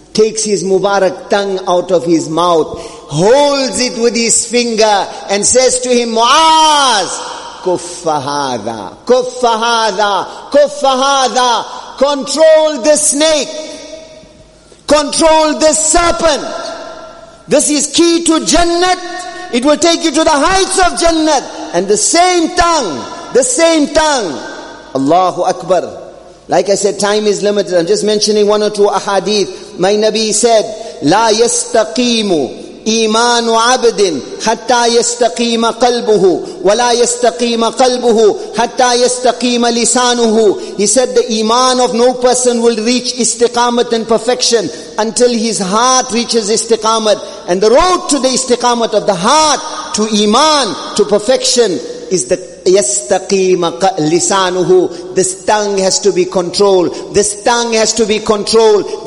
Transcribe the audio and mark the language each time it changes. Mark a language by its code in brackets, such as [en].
[en] Takes his Mubarak tongue out of his mouth, holds it with his finger and says to him, Mu'az, kuffahada, kuffahada, kuffahada, control the snake, control the serpent. This is key to Jannat. It will take you to the heights of Jannat. And the same tongue, the same tongue. Allahu Akbar. Like I said, time is limited. I'm just mentioning one or two ahadith. My Nabi said, [ar] لا يستقيم إيمان عبد حتى يستقيم قلبه ولا يستقيم قلبه حتى يستقيم لسانه. [en] He said, the iman of no person will reach istiqamat and perfection until his heart reaches istiqamat. And the road to the istiqamat of the heart, to iman, to perfection, is the [ar] يَسْتَقِيمَ لِسَانُهُ. [en] This tongue has to be controlled. This tongue has to be controlled.